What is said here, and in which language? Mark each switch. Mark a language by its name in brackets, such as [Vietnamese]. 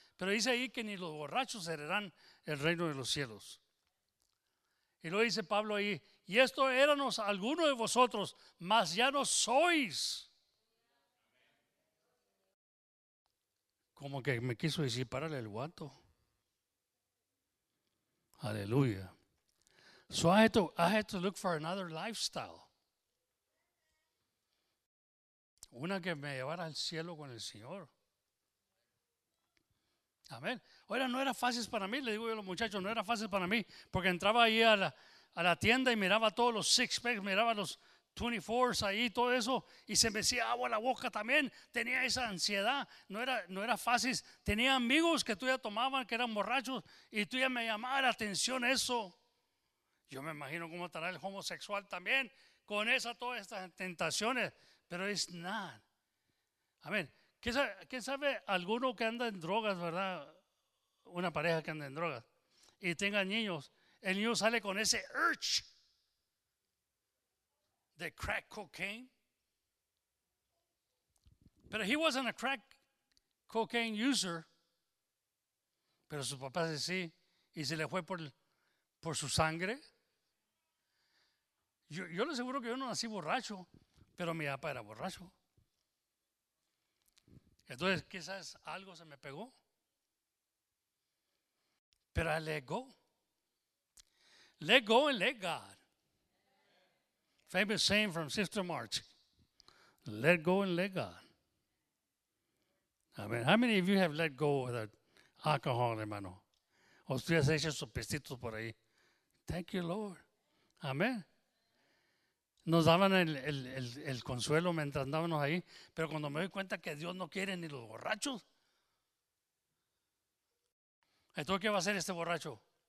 [Spanish] Pero dice ahí que ni los borrachos heredarán el reino de los cielos. Y luego dice Pablo ahí, y esto éramos algunos de vosotros, mas ya no sois. Como que me quiso decir, párale el guato. Aleluya. [English] So I had to look for another lifestyle. [Spanish] Una que me llevara al cielo con el Señor. Amén. Ahora no era fácil para mí, le digo yo a los muchachos, no era fácil para mí, porque entraba ahí a la tienda y miraba todos los six packs, miraba los 24s ahí, todo eso, y se me hacía agua la boca también. Tenía esa ansiedad, no era fácil. Tenía amigos que tú ya tomaban, que eran borrachos, y tú ya me llamabas la atención eso. Yo me imagino cómo estará el homosexual también, con esa, todas estas tentaciones, pero es nada. Amén. ¿Quién sabe alguno que anda en drogas, verdad? Una pareja que anda en drogas y tenga niños. El niño sale con ese urge de crack cocaine. [English] Pero he wasn't a crack cocaine user. [Spanish] Pero su papá dice sí, y se le fue por su sangre. Yo le aseguro que yo no nací borracho, pero mi papá era borracho. Entonces, quizás algo se me pegó. [English] Pero I let go. Let go and let God. Famous saying from Sister March. Let go and let God. Amen. How many of you have let go of that alcohol, hermano? [Spanish] O usted ya se echa sus pestitos por ahí. [English] Thank you, Lord. Amen. [Spanish] Nos daban el consuelo mientras andábamos ahí, pero cuando me doy cuenta que Dios no quiere ni los borrachos, entonces, ¿qué va a hacer este borracho?